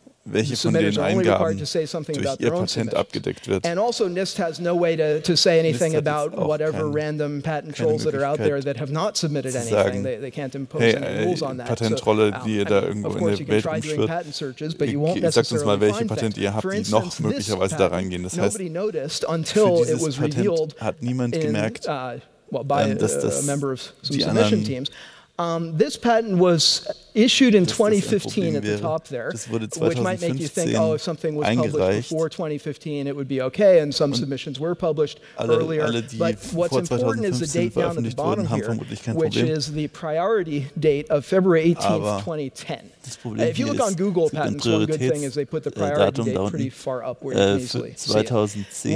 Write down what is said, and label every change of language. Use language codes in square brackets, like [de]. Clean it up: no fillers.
[de] welche von den Eingaben durch ihr Patent abgedeckt wird. [en] And also NIST has no way to say anything about whatever random patent trolls that are out there that have not submitted anything. They can't impose any rules on that. [de] Patentrolle, die ihr da irgendwo in der Welt umschwirrt. [en] Patent searches, but you won't necessarily find. [de] Sagt uns mal, welche Patente ihr habt, die noch möglicherweise da reingehen. Das heißt, für dieses Patent hat niemand gemerkt, dass das die anderen [en] This patent was issued in 2015 at the top there, which might make you think, oh, if something was published before 2015, it would be okay, and some submissions were published earlier. But what's important is the date down at the bottom here, which is the priority date of February 18th, 2010. If you look on Google Patents, one good thing is they put the priority date pretty far up where you can easily see it.